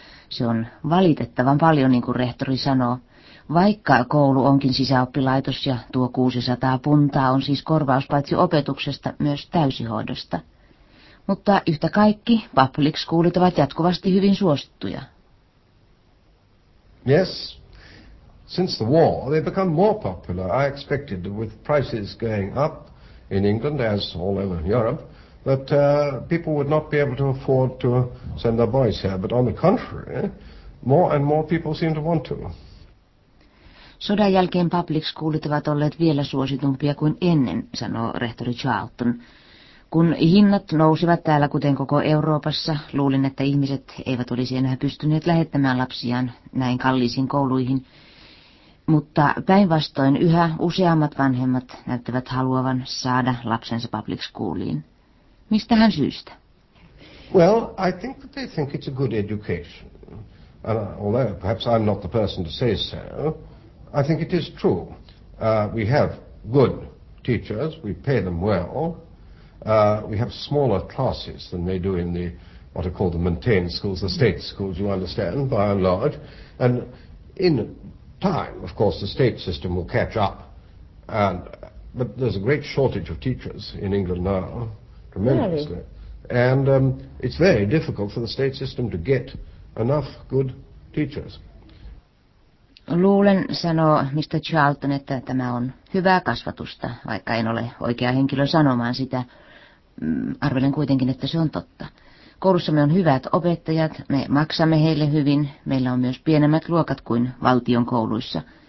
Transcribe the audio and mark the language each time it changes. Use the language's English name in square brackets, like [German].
[Finnish] Se on valitettavan paljon, niin kuin rehtori sanoo. Vaikka koulu onkin sisäoppilaitos ja tuo 600 puntaa on siis korvaus paitsi opetuksesta myös täysihoidosta. Mutta yhtä kaikki public schoolit ovat jatkuvasti hyvin suosittuja. [English] Yes, since the war they've become more popular. I expected with prices going up in England as all over Europe that people would not be able to afford to send their boys here, but on the contrary, more and more people seem to want to. [Finnish] Sodan jälkeen public schoolit ovat olleet vielä suositumpia kuin ennen, sanoo rehtori Charlton. Kun hinnat nousivat täällä, kuten koko Euroopassa, luulin, että ihmiset eivät olisi enää pystyneet lähettämään lapsiaan näin kalliisiin kouluihin. Mutta päinvastoin yhä useammat vanhemmat näyttävät haluavan saada lapsensa public schooliin. Mistähän syystä? [English] Well, I think that they think it's a good education. And although perhaps I'm not the person to say so, I think it is true. We have good teachers, we pay them well. We have smaller classes than they do in the, what are called the maintained schools, the state schools, you understand, by and large. And in time, of course, the state system will catch up. But there's a great shortage of teachers in England now, tremendously. Really? And it's very difficult for the state system to get enough good teachers. [Finnish] Luulen, sanoo Mr. Charlton, että tämä on hyvää kasvatusta, vaikka en ole oikea henkilö sanomaan sitä. Arvelen kuitenkin, että se on totta. Koulussamme on hyvät opettajat, me maksamme heille hyvin, meillä on myös pienemmät luokat kuin valtion kouluissa.